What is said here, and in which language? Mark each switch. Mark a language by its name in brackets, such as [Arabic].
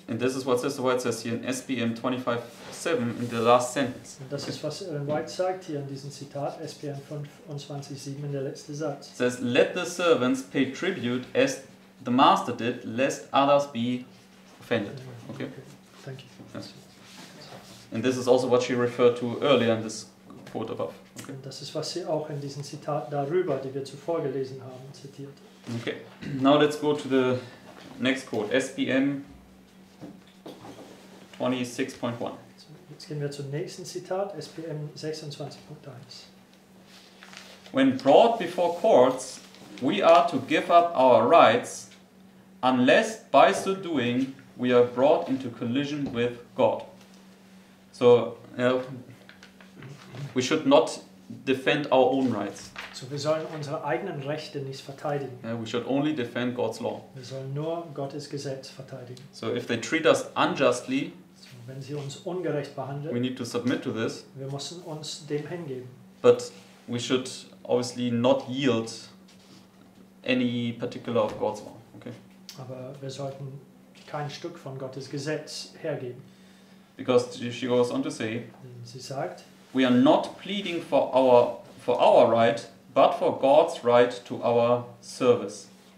[English] And this is what Sister White says here in SPM 25.7 in the last sentence. [German] Und das ist, was Ellen White sagt hier in diesem Zitat, SPM 25.7 in der letzte Satz. [English] It says, let the servants pay tribute as the master did, lest others be offended. Okay? Thank you. Yes. And this is also what she referred to earlier in this quote above. Okay. [German] Und das ist, was sie auch in diesem Zitat darüber, die wir zuvor gelesen haben, zitiert. [English] Okay, now let's go to the next quote, SPM 26.1. [German] So, jetzt gehen wir zum nächsten Zitat, SPM 26.1. [English] When brought before courts, we are to give up our rights, unless by so doing we are brought into collision with God. So, we should not defend our own rights. [German] So wir sollen unsere eigenen Rechte nicht verteidigen. [English] Yeah, we should only defend God's law. [German] Wir sollen nur Gottes Gesetz verteidigen. [English] So if they treat us unjustly, so [German] wenn sie uns ungerecht behandeln, [English] we need to submit to this. [German] Wir müssen uns dem hingeben. [English] But we should obviously not yield any particular of God's law. Okay. [German] Aber wir sollten kein Stück von Gottes Gesetz hergeben. [English] Because she goes on to say, [German] sie sagt, [English] we are not pleading for our right, but for God's right to our service.